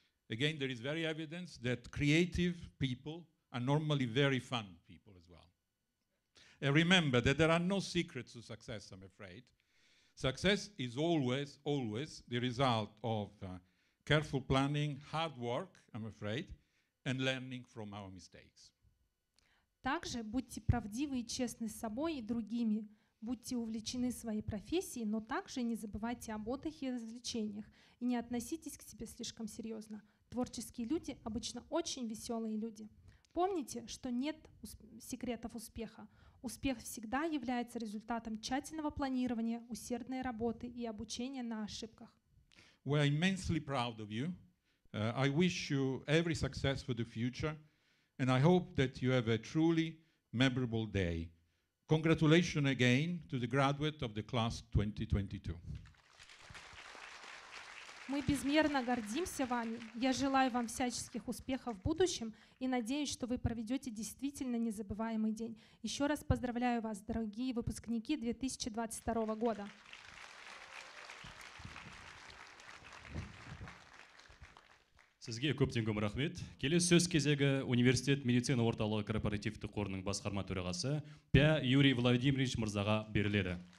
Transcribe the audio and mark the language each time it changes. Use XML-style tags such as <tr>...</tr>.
<en>Again, there is very evidence that creative people are normally very fun people as well. And remember that there are no secrets to success, I'm afraid. Success is always, always the result of careful planning, hard work, I'm afraid, and learning from our mistakes.</en> <ru>Также будьте правдивы и честны с собой и другими. Будьте увлечены своей профессией, но также не забывайте об отдыхе и развлечениях. И не относитесь к себе слишком серьезно. Творческие люди обычно очень веселые люди. Помните, что нет секретов успеха. Успех всегда является результатом тщательного планирования, усердной работы и обучения на ошибках.</ru> <en>We are immensely proud of you. I wish you every success for the future. And I hope that you have a truly memorable day. Congratulations again to the graduate of the class 2022.</en> <ru>Мы безмерно гордимся вами. Я желаю вам всяческих успехов в будущем и надеюсь, что вы проведете действительно незабываемый день. Еще раз поздравляю вас, дорогие выпускники 2022 года.</ru> <kk>Сізге көптен көмір рахмет. Келесі сөз кезегі университет медицина орталығы корпоративті қорының басқарма төрағасы Пя Юрий Владимирович Мырзаға беріледі.</kk>